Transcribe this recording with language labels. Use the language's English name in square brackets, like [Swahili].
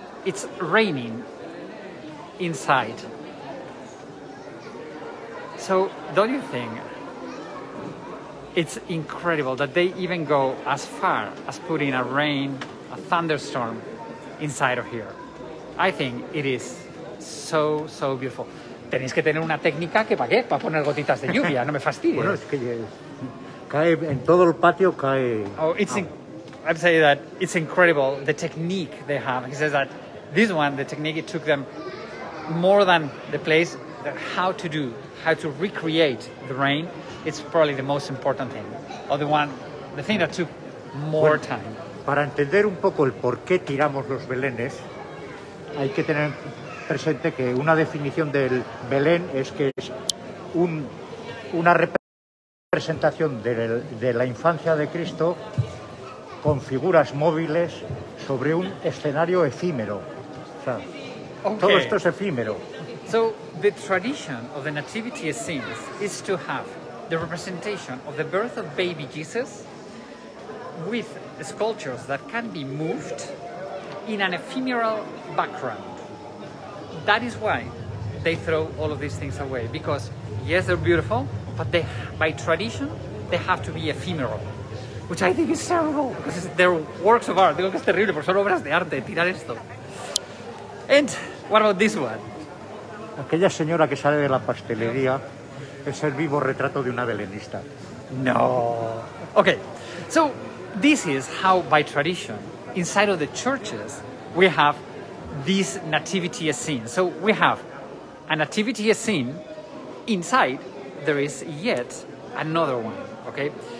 [English] It's raining inside. So don't you think it's incredible that they even go as far as putting a rain, a thunderstorm inside of here? I think it is so, so beautiful. [Spanish] Tenéis que tener una técnica que pagué para poner gotitas de lluvia, no me fastidies. Bueno, es que cae en todo el patio, cae... [English] I'd say that it's incredible, the technique they have. He says that this one, the technique, it took them more than the place, that how to do, how to recreate the rain, it's probably the most important thing, or the one, the thing that took more time. [Spanish] Para entender un poco el por qué tiramos los belenes, hay que tener presente que una definición del Belén es que es una representación de la infancia de Cristo con figuras móviles sobre un escenario efímero. O sea, todo esto es efímero. [English] So the tradition of the nativity scenes is to have the representation of the birth of baby Jesus with sculptures that can be moved in an ephemeral background. That is why they throw all of these things away, because yes, they're beautiful, but they, by tradition, they have to be ephemeral, which I think is terrible, because they're works of art. [Spanish] Digo que es terrible, porque son obras de arte, tirar esto. [English] And what about this one? [Spanish] Aquella señora que sale de la pastelería es el vivo retrato de una belenista. No. [English] Okay, so this is how, by tradition, inside of the churches, we have this nativity scene. So we have a nativity scene, inside there is yet another one, okay?